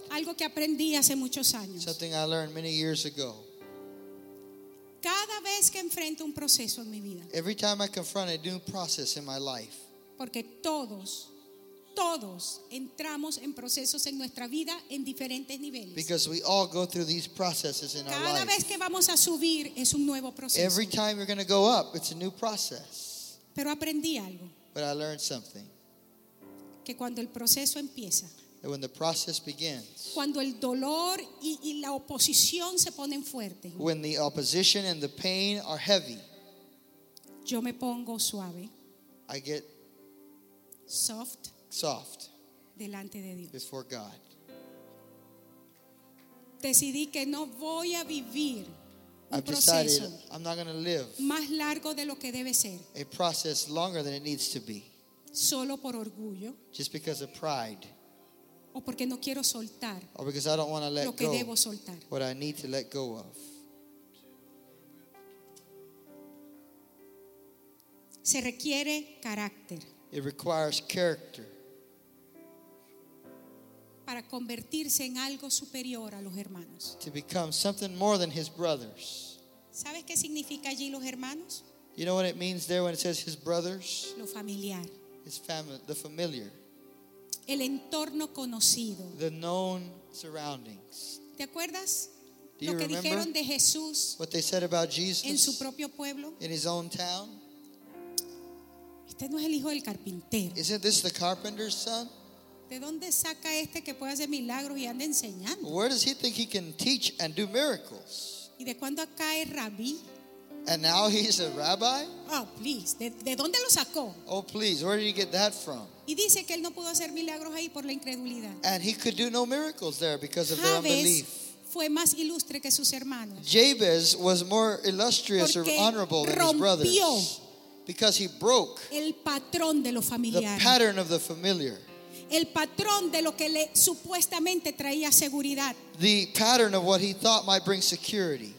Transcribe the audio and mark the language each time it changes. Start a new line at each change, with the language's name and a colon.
Spanish: Algo que aprendí hace muchos años.
English: Something I learned many years ago.
Spanish: Cada vez que enfrento un proceso en mi vida.
English: Every time I confront a new process in my life.
Spanish: Porque todos entramos en procesos en nuestra vida en diferentes niveles.
English: Because we all go through these processes in
Spanish: cada
English: our life.
Spanish: Cada vez que vamos a subir es un nuevo proceso.
English: Every time you're going to go up, it's a new process.
Spanish: Pero aprendí algo.
English: But I learned something.
Spanish: Que cuando el proceso empieza.
English: That when the process begins.
Spanish: Cuando el dolor y la oposición se ponen fuerte.
English: When the opposition and the pain are heavy.
Spanish: Yo me pongo suave.
English: I get soft. Soft.
Spanish: Delante de Dios.
English: Before God.
Spanish: Decidí que no voy a vivir.
English: I've decided I'm not going to live.
Spanish: Más largo de lo que debe ser.
English: A process longer than it needs to be.
Spanish: Solo por orgullo.
English: Just because of pride.
Spanish: O porque no quiero soltar.
English: Or because I don't want to let go.
Spanish: Lo que
English: go
Spanish: debo soltar.
English: What I need to let go of.
Spanish: Se requiere carácter.
English: It requires character.
Spanish: Para convertirse en algo superior a los hermanos.
English: To become something more than his brothers.
Spanish: ¿Sabes qué significa allí los hermanos?
English: You know what it means there when it says his brothers?
Spanish: Lo familiar.
English: His family, the familiar.
Spanish: El entorno conocido.
English: The known surroundings.
Spanish: ¿Te acuerdas?
English: Do you remember?
Spanish: Lo que dijeron de Jesús.
English: What they said about Jesus.
Spanish: En su propio pueblo.
English: In his own town.
Spanish: Este no es el hijo del carpintero.
English: Isn't this the carpenter's son?
Spanish: ¿De dónde saca este que puede hacer milagros y anda enseñando?
English: Where does he think he can teach and do miracles?
Spanish: ¿Y de cuándo acá es rabí?
English: And now he's a rabbi? Oh, please.
Spanish: ¿De dónde lo sacó?
English: Oh, please. Where did he get that from?
Spanish: Y dice que él no pudo hacer milagros ahí por la incredulidad.
English: And he could do no miracles there because of their unbelief.
Spanish: Fue más ilustre que sus hermanos.
English: Jabez was more illustrious
Spanish: Porque
English: or honorable than his brothers.
Spanish: Rompió
English: because he broke
Spanish: el patrón de lo familiar.
English: The pattern of the familiar.
Spanish: El patrón de lo que le supuestamente traía seguridad.
English: The pattern of what he thought might bring security.